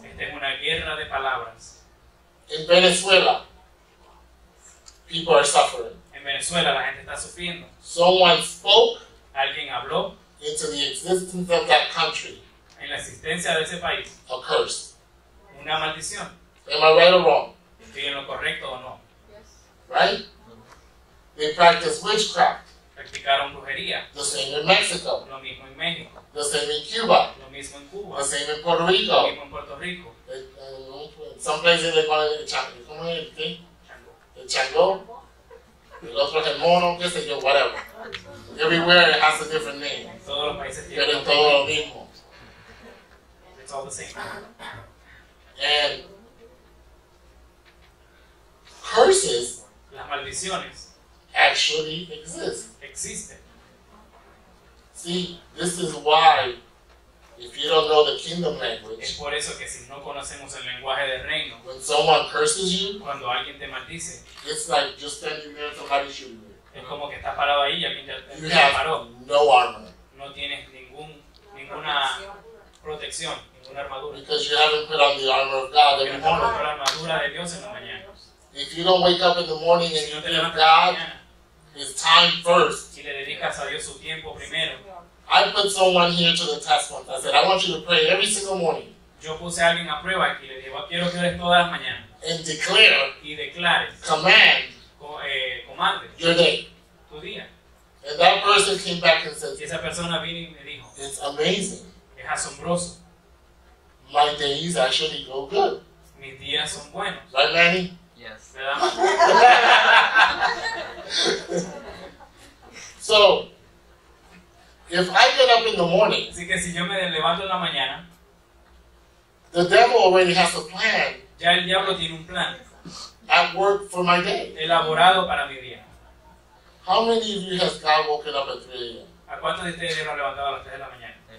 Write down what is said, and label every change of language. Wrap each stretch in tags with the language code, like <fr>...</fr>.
<es>Esta es una guerra de palabras.</es> <en>In Venezuela, people are suffering.</en> <es>En Venezuela, la gente está sufriendo.</es> <en>Someone spoke.</en> <es>Alguien habló.</es> <en>Into the existence of that country.</en> <es>En la existencia de ese país.</es> <en>A curse.</en> <es>Una maldición.</es> <en>Am I right or wrong?</en> <es>¿Estoy en lo correcto o no?</es> <en>Yes. Right? They practice witchcraft.</en> <es>Practicaron brujería.</es> <en>The same in Mexico.</en> <es>Lo mismo en México.</es> <en>The same in Cuba.</en> <es>Lo mismo en Cuba.</es> <en>The same in Puerto Rico.</en> <es>Lo mismo en Puerto Rico.</es> <en>Some places they call it the chango.</en> <es>¿Cómo es el qué? Chango. El chango, el otro es el mono, qué sé yo,</es> <en>whatever. Everywhere it has a different name.</en> <es>En todos los países tienen. Pero en todo lo mismo.</es> <en>It's all the same. And curses,</en> <es>las maldiciones,</es> <en>actually exist.</en> <es>Existen.</es> <en>See, this is why, if you don't know the kingdom language,</en> <es>es por eso que si no conocemos el lenguaje del reino,</es> <en>when someone curses you,</en> <es>cuando alguien te maldice,</es> <en>it's like just standing there, somebody shooting you.</en> <es>Es como que estás parado ahí y alguien te paró.</es> <en>You have no armor.</en> <es>No tienes ninguna protección, ninguna armadura.</es> <en>Because you haven't put on the armor of God every morning.</en> <es>Porque no tienes la armadura de Dios en la mañana.</es> <en>If you don't wake up in the morning and</en> <es>si</es> <en>you give God his time first,</en> <es>si le dedicas a Dios su tiempo primero,</es> <en>I put someone here to the test once. I said, I want you to pray every single morning.</en> <es>Yo puse a alguien a prueba y le dije, quiero que ores todas las mañanas.</es> <en>And declare,</en> <es>y declares,</es> <en>command,</en> <es>comande,</es> <en>your day,</en> <es>tu día.</es> <en>And that person came back and said,</en> <es>y esa persona vino y me dijo,</es> <en>it's amazing.</en> <es>Es asombroso.</es> <en>My days actually go good.</en> <es>Mis días son buenos.</es> <en>Right, Manny? Yes. So, if I get up in the morning,</en> <es>así que si yo me levanto en la mañana,</es> <en>the devil already has a plan.</en> <es>Ya el diablo tiene un plan.</es> <en>At work for my day.</en> <es>Elaborado para mi día.</es> <en>How many of you has God woken up at 3 a.m.?</en> <es>¿A cuántos de ustedes han levantado a las 3 de la mañana?</es>